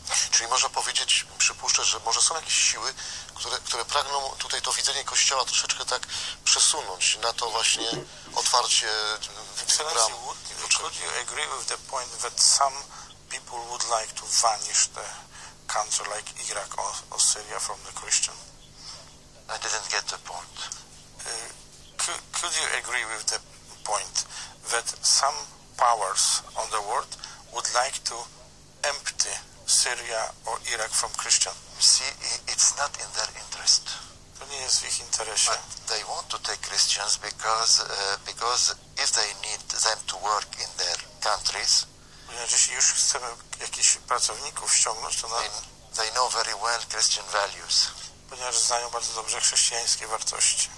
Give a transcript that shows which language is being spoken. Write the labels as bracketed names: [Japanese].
[Polish] Czyli można powiedzieć, przypuszczę, że może są jakieś siły, które pragną tutaj to widzenie Kościoła troszeczkę tak przesunąć na to właśnie otwarcie bram. [English] Could you agree with the point that some people would like to vanish the country like Iraq or Syria from the Christian? I didn't get the point. Could you agree with the point that some powers on the world would like to empty Syria or Iraq from Christian? See, it's not in their interest. [Polish] To nie jest w ich interesie. [English] But they want to take Christians because if they need them to work in their countries, [Polish] jeśli już chcemy jakichś pracowników ściągnąć, to na... [English] they know very well Christian values. [Polish] Ponieważ znają bardzo dobrze chrześcijańskie wartości.